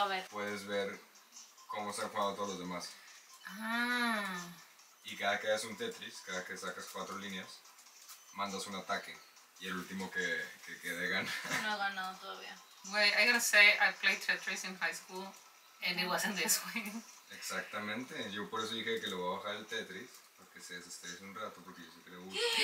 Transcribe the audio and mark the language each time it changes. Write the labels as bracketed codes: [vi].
[es] Puedes ver cómo se han jugado todos los demás. Ah. Y cada que haces un Tetris, cada que sacas cuatro líneas, mandas un ataque. Y el último que quede gana. No ha ganado todavía. [en] Wait, I gotta say, I played Tetris in high school and it wasn't this way. [es] Exactamente. Yo por eso dije que le voy a bajar el Tetris para que se desestrese un rato, porque yo sé que le gusta.